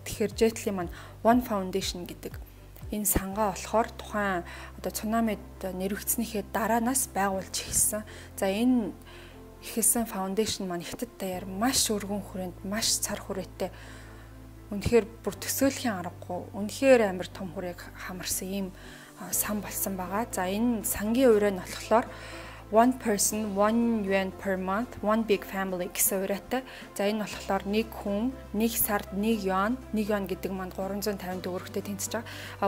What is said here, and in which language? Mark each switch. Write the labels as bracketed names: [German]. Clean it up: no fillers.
[Mongolian] Тэгэхээр Жетли маань One Foundation гэдэг энэ сангаа болохоор тухайн одоо цунамид нэрвэгцснээ дараанаас байгуулж эхэлсэн. За энэ эхэлсэн фаундейшн маань Хятад даяар маш өргөн хүрээнд, маш цар хүрээтэй үнэхээр бүр төсөөлөхийн аргагүй үнэхээр амар том хүрээг хамарсан ийм сан болсон байгаа. За энэ сангийн өрөө нь болохоор [English] One person, one yuan per month, one big family [Mongolian] гэсэн үрэтэ. За энэ болохоор нэг хүн, нэг сард, нэг юан гэдэг манд 350 төгрөгтэй тэнцэж байгаа.